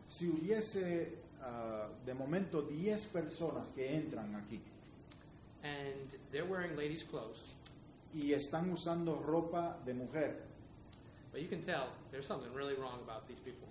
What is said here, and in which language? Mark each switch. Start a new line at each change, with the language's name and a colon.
Spanish: Si hubiese de momento 10 personas que entran aquí.
English: And they're wearing ladies' clothes.
Spanish: Y están usando ropa de mujer.
English: But you can tell there's something really wrong about these people.